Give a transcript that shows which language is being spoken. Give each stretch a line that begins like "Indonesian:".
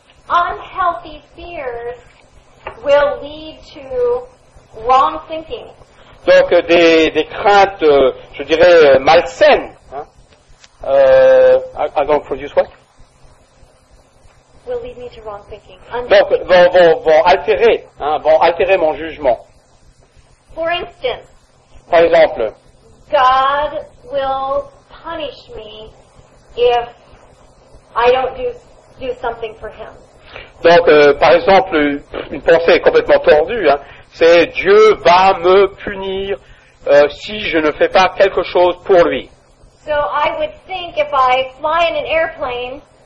English: Unhealthy fears will lead to wrong thinking.
French: Donc des craintes, je dirais malsaines.
English: I don't produce what? Will lead me to wrong thinking.
French: Donc vont altérer, hein, vont altérer mon jugement.
English: For instance.
French: Par exemple.
English: God will punish me if I don't do something for him.
French: Donc, par exemple, une pensée complètement tordue, hein, c'est Dieu va me punir si je ne fais pas quelque chose pour lui.
English: So I would think if I fly in an airplane.